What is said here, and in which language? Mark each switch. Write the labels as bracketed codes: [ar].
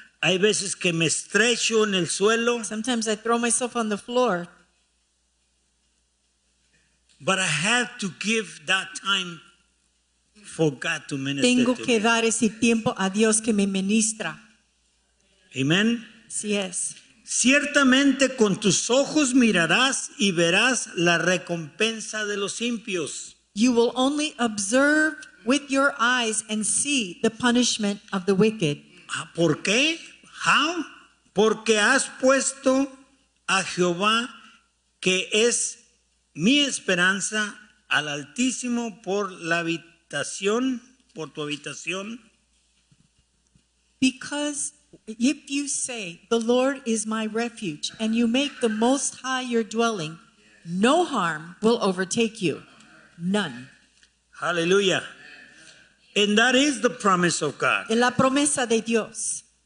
[es] Hay veces que me estrecho en el suelo. [en] Sometimes I throw myself on the floor. But I have to give that time for God to minister. [es] Tengo [en] to [es] que me. Dar ese tiempo a Dios que me ministra. [en] Amen. [es] Sí es. Ciertamente con tus ojos mirarás y verás la recompensa de los impios. [en] You will only observe with your eyes and see the punishment of the wicked. [es] ¿Por qué? [en] How? [es] Porque has puesto a Jehová, que es mi esperanza, al Altísimo por la habitación, por tu habitación. [en] Because if you say, the Lord is my refuge, and you make the Most High your dwelling, no harm will overtake you. None. Hallelujah. And that is the promise of God. [es] En la promesa de Dios.